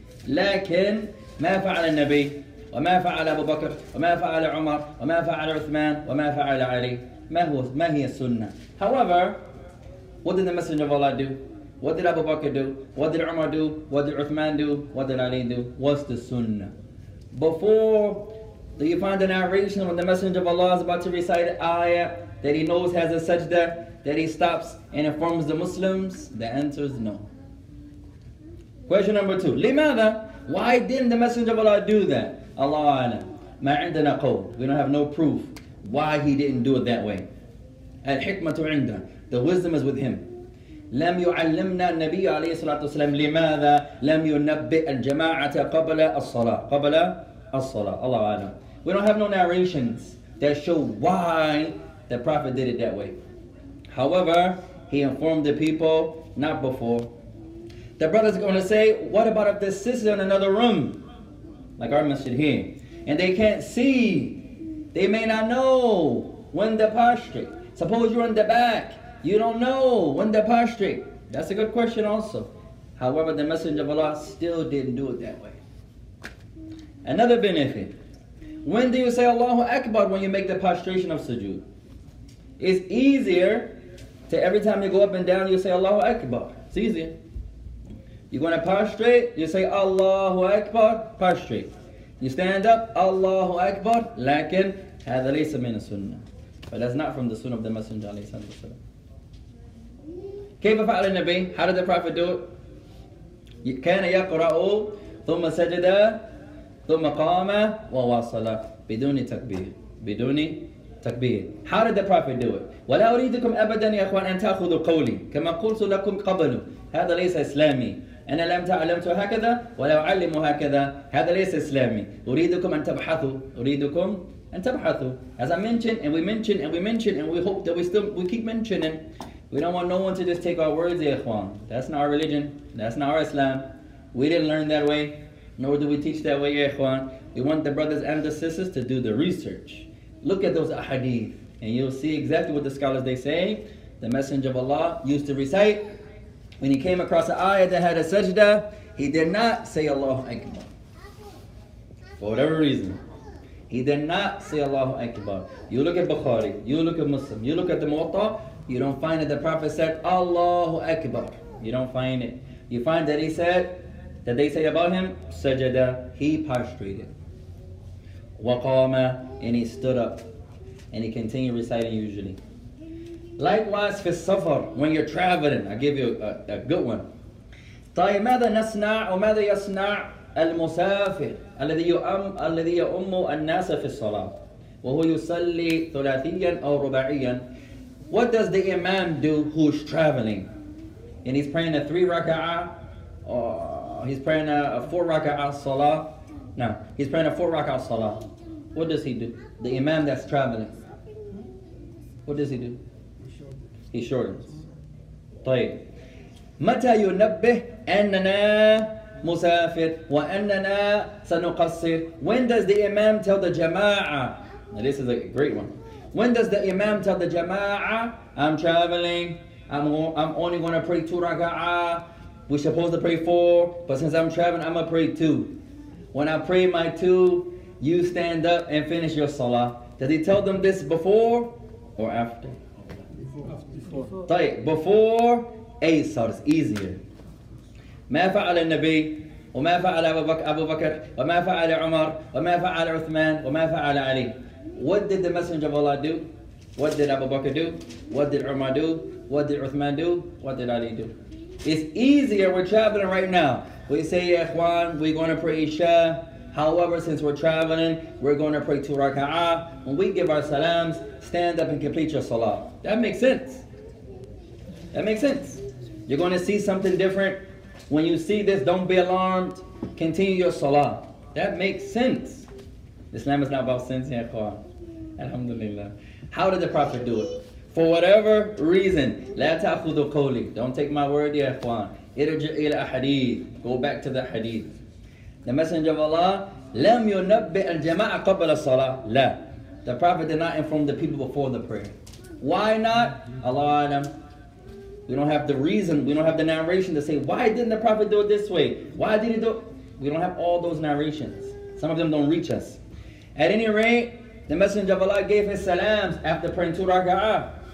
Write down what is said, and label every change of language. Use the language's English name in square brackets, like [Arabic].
[Arabic] لكن ما فعل النبي وما فعل أبو بكر وما فعل عمر وما فعل عثمان وما فعل علي ما هي السنة. [English] However, what did the Messenger of Allah do? What did Abu Bakr do? What did Umar do? What did Uthman do? What did Ali do? What's the Sunnah? Before you find a narration when the Messenger of Allah is about to recite an ayah that he knows has a sajda, that he stops and informs the Muslims, the answer is no. Question number two. [Arabic] لماذا? [English] Why didn't the Messenger of Allah do that? [Arabic] Allah أعلم. ما عندنا قول. [English] We don't have no proof why he didn't do it that way. [Arabic] الحكمة عنده. [English] The wisdom is with him. [Arabic] لم يعلمنا النبي عليه الصلاة والسلام لماذا لم ينبئ الجماعة قبل الصلاة. قبل الصلاة. الله أعلم. [English] We don't have no narrations that show why the Prophet did it that way. However, he informed the people not before. The brothers are going to say, what about if the sisters are in another room, like our masjid here, and they can't see? They may not know when they're prostrate. Suppose you're in the back. You don't know when they're prostrate. That's a good question also. However, the Messenger of Allah still didn't do it that way. Another benefit. When do you say Allahu Akbar when you make the prostration of sujood? It's easier to every time you go up and down, you say Allahu Akbar. It's easier. You're going to prostrate, you say Allahu Akbar, prostrate. You stand up, Allahu Akbar, [Arabic] lakin hadha laysa min sunnah. [English] But that's not from the sunnah of the Messenger alayhi salatu wasalam. [Arabic] كيف فعل النبي؟ [English] How did the Prophet do it? [Arabic] كان يقرأ ثم سجد ثم قام وواصل بدون تكبير. بدون تكبير. [English] How did the Prophet do it? [Arabic] ولا أريدكم أبدا يا أخوان أن تأخذوا قولي كما قلت لكم قبل. هذا ليس إسلامي. أنا لم تعلمت هكذا ولا أعلم هكذا. هذا ليس إسلامي. أريدكم أن تبحثوا. أريدكم أن تبحثوا. [English] As I mentioned and we mentioned and we mentioned and we hope that we keep mentioning. We don't want no one to just take our words, ya ikhwan. That's not our religion. That's not our Islam. We didn't learn that way, nor do we teach that way, ya ikhwan. We want the brothers and the sisters to do the research. Look at those ahadith, and you'll see exactly what the scholars they say. The Messenger of Allah used to recite, when he came across an ayah that had a sajda, he did not say Allahu Akbar. For whatever reason. He did not say Allahu Akbar. You look at Bukhari, you look at Muslim, you look at the Muwatta, you don't find that the Prophet said Allahu Akbar. You don't find it. You find that he said, that they say about him, sajada, he prostrated. Waqama, and he stood up. And he continued reciting usually. Likewise, for safar, when you're traveling, I give you a good one. [Arabic] طيب ماذا نسنع وماذا يسنع المسافر الذي يؤم الذي يؤم الناس في الصلاة وهو يصلي ثلاثيا أو رباعيا. [English] What does the imam do who's traveling? And he's praying a 3 raka'ah, or he's praying a 4 raka'ah salah. No, he's praying a 4 raka'ah salah. What does he do? The imam that's traveling. What does he do? He shortens. [Arabic] طيب. متى ينبه أننا مسافر وأننا سنقصر. [English] When does the imam tell the jama'ah? Now this is a great one. When does the imam tell the jama'ah, I'm traveling, I'm only going to pray 2 raka'ah, we're supposed to pray 4, but since I'm traveling, I'm going to pray 2. When I pray my 2, you stand up and finish your salah. Does he tell them this before or after? Before. It's easier. [Arabic] ما فعل النبي وما فعل أبو بكر وما فعل عمر وما فعل عثمان وما فعل علي. [English] What did the Messenger of Allah do? What did Abu Bakr do? What did Umar do? What did Uthman do? What did Ali do? It's easier, we're traveling right now. We say, ya ikhwan, we're going to pray Isha. However, since we're traveling, we're going to pray 2 raka'ah. When we give our salams, stand up and complete your salah. That makes sense. That makes sense. You're going to see something different. When you see this, don't be alarmed. Continue your salah. That makes sense. Islam is not about sins, ya ikhwan. Alhamdulillah. How did the Prophet do it? For whatever reason, [Arabic] la ta'khudhu qawli. [English] Don't take my word, ya ikhwan. [Arabic] Irji ila hadith. [English] Go back to the hadith. The Messenger of Allah, [Arabic] لم ينبئ الجماعة قبل الصلاة. لا. [English] The Prophet did not inform the people before the prayer. Why not? [Arabic] Allah alam. [English] We don't have the reason, we don't have the narration to say, why didn't the Prophet do it this way? Why did he do it? We don't have all those narrations. Some of them don't reach us. At any rate, the Messenger of Allah gave his salams after praying 2 raka'ah.